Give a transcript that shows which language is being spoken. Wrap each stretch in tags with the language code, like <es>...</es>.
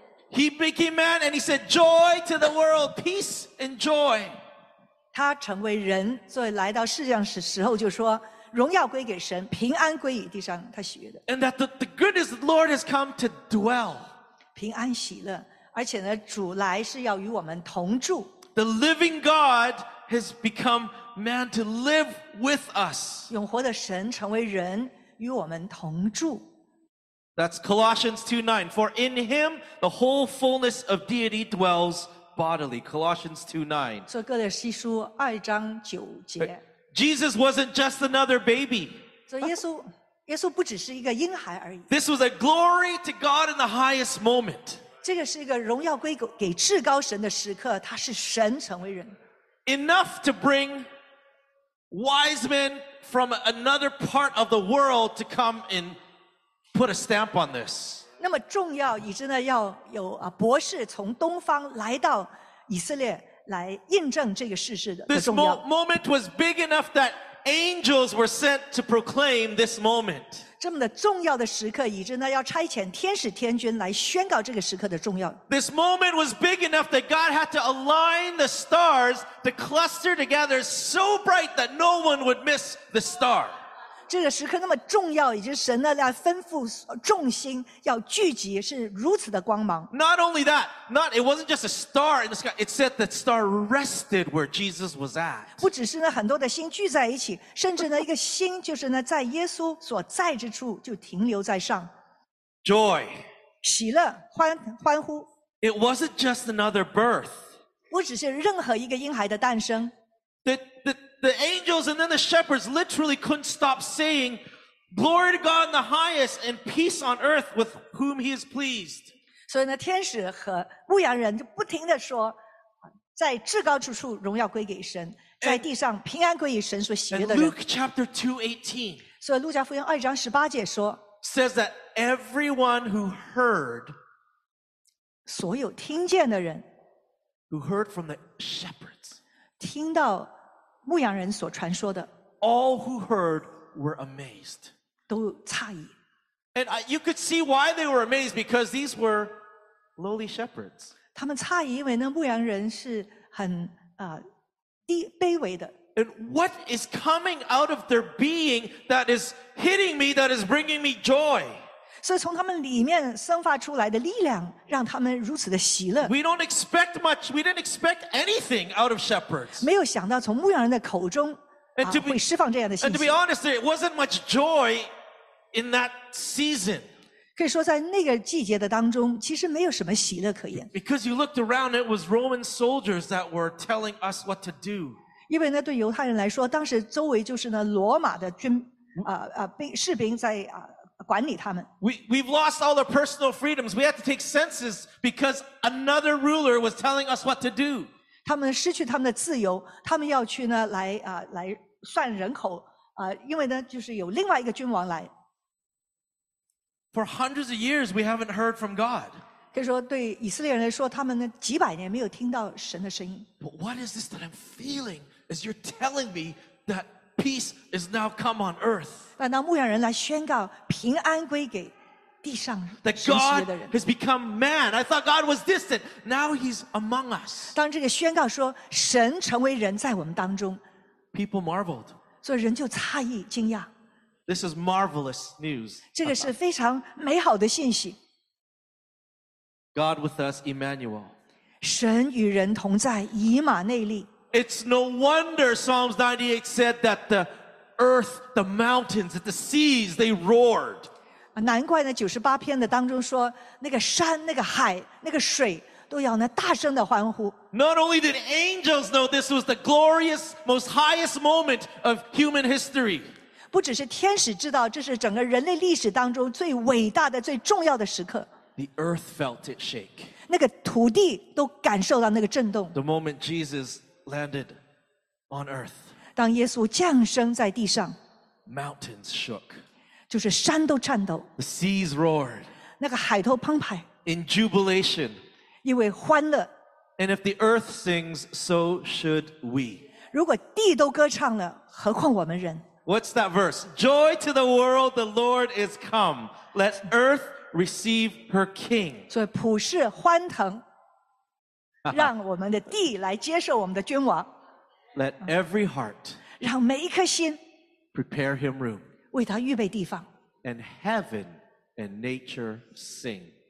<en>He became man and he said, joy to the world, peace and joy.</en> <zh>他成为人，所以来到世上的时候就说，荣耀归给神，平安归于地上，他喜悦的。</zh> <en>And that the goodness of the Lord has come to dwell.</en> <zh>平安喜乐。而且呢，主来是要与我们同住。</zh> <en>The living God has become man to live with us.</en> <zh>永活的神成为人，与我们同住。</zh> <en>That's Colossians 2:9. For in him the whole fullness of deity dwells bodily. Colossians 2:9.</en> <zh>所以哥罗西书二章九节。</zh> <en>Jesus wasn't just another baby.</en> <zh>所以耶稣不只是一个婴孩而已。</zh> <en>This was a glory to God in the highest moment.</en> <zh>这个是一个荣耀归给至高神的时刻，他是神成为人。</zh> <en>Enough to bring wise men from another part of the world to come and put a stamp on this.</en> <zh>那么重要，以致呢要有博士从东方来到以色列来印证这个事实的重要。</zh> <en>This moment was big enough that angels were sent to proclaim this moment.</en> <zh>这么的重要的时刻，以致呢要差遣天使天君来宣告这个时刻的重要。</zh> <en>This moment was big enough that God had to align the stars to cluster together so bright that no one would miss the star.</en> <zh>这个时刻那么重要，以致神呢要吩咐众星要聚集，是如此的光芒。</zh> <en>Not only that, it wasn't just a star in the sky. It said that star rested where Jesus was at.</en> <zh>不只是呢很多的星聚在一起，甚至呢一个星就是呢在耶稣所在之处就停留在上。</zh> <en>Joy.</en> <zh>喜乐，欢呼。</zh> <en>It wasn't just another birth.</en> <zh>不只是任何一个婴孩的诞生。</zh> <en>The angels and then the shepherds literally couldn't stop saying, Glory to God in the highest and peace on earth with whom he is pleased.</en> <zh>所以呢天使和牧羊人就不停地说，在至高之处荣耀归给神，在地上平安归于神所喜悦的人。</zh> <en>And Luke chapter 2:18.</en> <zh>所以路加福音二章十八节说，</zh> <en>says that everyone who heard,</en> <zh>所有听见的人，</zh> <en>who heard from the shepherds,</en> <zh>听到牧羊人所传说的，</zh> <en>All who heard were amazed.</en> <zh>都诧异。</zh> <en>And you could see why they were amazed, because these were lowly shepherds.</en> <zh>他们诧异，因为那牧羊人是很低卑微的。</zh> <en>And what is coming out of their being that is hitting me, that is bringing me joy?</en> <zh>所以从他们里面生发出来的力量，让他们如此的喜乐。</zh> <en>We don't expect much. We didn't expect anything out of shepherds.</en> <zh>没有想到从牧羊人的口中会释放这样的信息。</zh> <en>And to be honest, it wasn't much joy in that season.</en> <zh>可以说在那个季节的当中，其实没有什么喜乐可言。</zh> <en>Because you looked around, it was Roman soldiers that were telling us what to do.</en> <zh>因为呢，对犹太人来说，当时周围就是呢罗马的军士兵在管理他们。</zh> <en>We've lost all our personal freedoms. We had to take census because another ruler was telling us what to do.</en> <zh>他们失去他们的自由，他们要去呢来算人口因为呢就是有另外一个君王来。</zh> <en>For hundreds of years, we haven't heard from God.</en> <zh>就是说对以色列人来说他们几百年没有听到神的声音。</zh> <en>But what is this that I'm feeling as you're telling me that peace is now come on earth?</en> <zh>但当牧羊人来宣告平安归给地上神的人。</zh> <en>That God has become man. I thought God was distant. Now he's among us.</en> <zh>当这个宣告说神成为人在我们当中。</zh> <en>People marveled.</en> <zh>所以人就诧异惊讶。</zh> <en>This is marvelous news.</en> <zh>这个是非常美好的信息。</zh> <en>God with us, Emmanuel.</en> <zh>神与人同在，以马内利。</zh> <en>It's no wonder Psalms 98 said that the earth, the mountains, the seas, they roared.</en> <zh>难怪呢，九十八篇的当中说，那个山、那个海、那个水都要呢大声的欢呼。</zh> <en>Not only did angels know this was the glorious, most highest moment of human history.</en> <zh>不只是天使知道，这是整个人类历史当中最伟大的、最重要的时刻。</zh> <en>The earth felt it shake.</en> <zh>那个土地都感受到那个震动。</zh> <en>The moment Jesus landed on earth.</en> <zh>当耶稣降生在地上。</zh> <en>Mountains shook.</en> <zh>就是山都颤抖。</zh> <en>The seas roared.</en> <zh>那个海头澎湃。</zh> <en>In jubilation.</en> <zh>因为欢乐。</zh> <en>And if the earth sings, so should we.</en> <zh>如果地都歌唱了，何况我们人。</zh> <en>What's that verse? Joy to the world, the Lord is come. Let earth receive her king.</en> <zh>所以普世欢腾，让我们的地来接受我们的君王。</zh> <en>Let every heart.</en> <zh>让每一颗心。</zh> <en>Prepare him room.</en> <zh>为他预备地方。</zh> <en>And heaven and nature sing.</en>